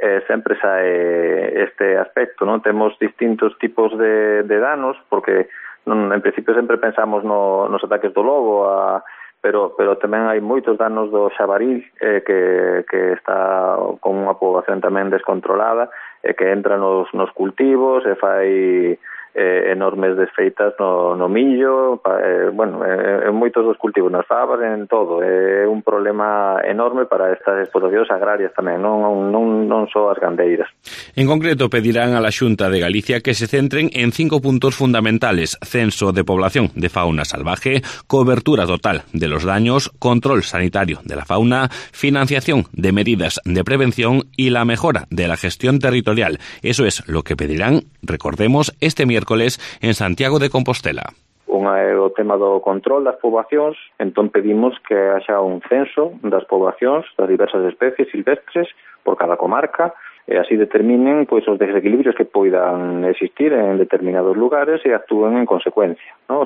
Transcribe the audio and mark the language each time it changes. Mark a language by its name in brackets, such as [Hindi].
[Galician] Sempre xa é este aspecto, non? Temos distintos tipos de danos, porque non, en principio sempre pensamos nos ataques do lobo, pero tamén hai moitos danos do xabaril que está con unha poboación tamén descontrolada que entra nos cultivos e fai enormes desfeitas no millo, en moitos dos cultivos, nas favas, en todo. É un problema enorme para estas explotacións agrarias tamén, non só as gandeiras. [Spanish] En concreto, pedirán a la Xunta de Galicia que se centren en 5 puntos fundamentales: censo de población de fauna salvaje, cobertura total de los daños, control sanitario de la fauna, financiación de medidas de prevención y la mejora de la gestión territorial. Eso es lo que pedirán, recordemos, este miércoles en Santiago de Compostela. [Galician] Unha é o tema do control das poboacións, entón pedimos que haxa un censo das poboacións das diversas especies silvestres por cada comarca, e así determinen pois os desequilibrios que poidan existir en determinados lugares e actúen en consecuencia, ¿no?